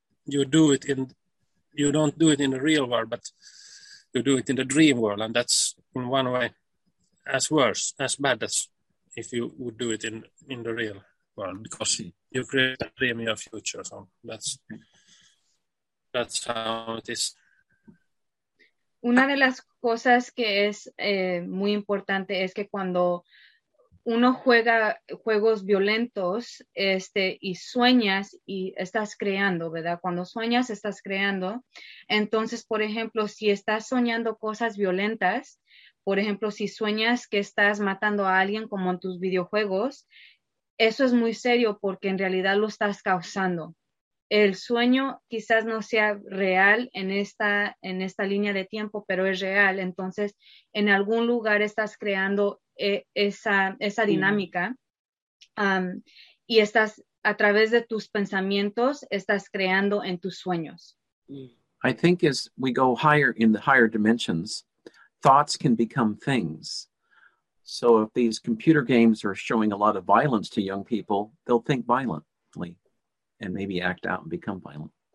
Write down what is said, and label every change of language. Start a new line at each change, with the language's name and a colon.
English: You don't do it in the real world, but you do it in the dream world, and that's in one way as bad as if you would do it in the real world, because you create a dream in your future. So that's how it is.
Spanish: Una de las cosas que es muy importante es que cuando uno juega juegos violentos y sueñas y estás creando, ¿verdad? Cuando sueñas, estás creando. Entonces, por ejemplo, si estás soñando cosas violentas, por ejemplo, si sueñas que estás matando a alguien como en tus videojuegos, eso es muy serio porque en realidad lo estás causando. El sueño quizás no sea real en esta línea de tiempo, pero es real. Entonces, en algún lugar estás creando esa dinámica. Y estás, a través de tus pensamientos, estás creando en tus sueños.
English: I think as we go higher in the higher dimensions, thoughts can become things. So if these computer games are showing a lot of violence to young people, they'll think violently. And maybe act out and become violent.